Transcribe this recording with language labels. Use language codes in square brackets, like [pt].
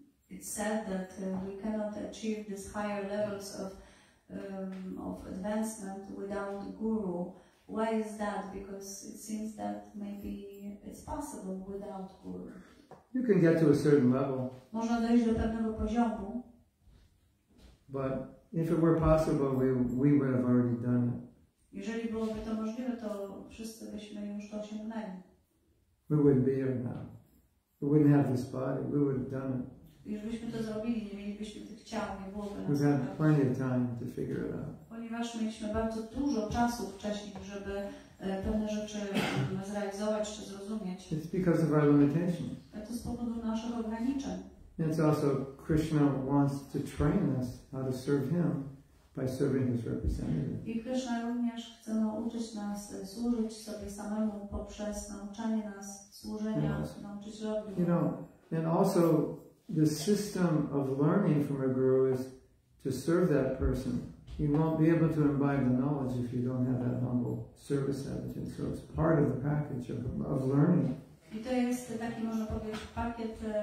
[en] It's said that we cannot achieve these higher levels of advancement without guru. Why is that? Because it seems that maybe it's possible without guru. You can get to a certain level. [pl] Można dojść do pewnego poziomu. [en] But if it were possible, we would have already done it. [pl] Jeżeli byłoby to możliwe, to wszyscy byśmy już to osiągnęli. [en] We wouldn't be here now. We wouldn't have this body, we would have done it. [pl] Już byśmy to zrobili, nie mielibyśmy tych ciał, nie byłoby. [en] We've had plenty of time to figure it out. [pl] Ponieważ mieliśmy bardzo dużo czasu wcześniej, żeby pewne rzeczy zrealizować czy zrozumieć. [en] It's because of our limitations. [pl] A to z powodu naszych ograniczeń. [en] It's also Krishna wants to train us how to serve Him by serving His representative. [pl] I Krishna również chce nauczyć nas służyć sobie samemu poprzez nauczanie nas służenia, yes. Nauczyć robić. [en] You know, and also the system of learning from a guru is to serve that person. You won't be able to imbibe the knowledge if you don't have that humble service attitude. So it's part of the package of learning. [pl] I to jest taki, można powiedzieć, pakiet.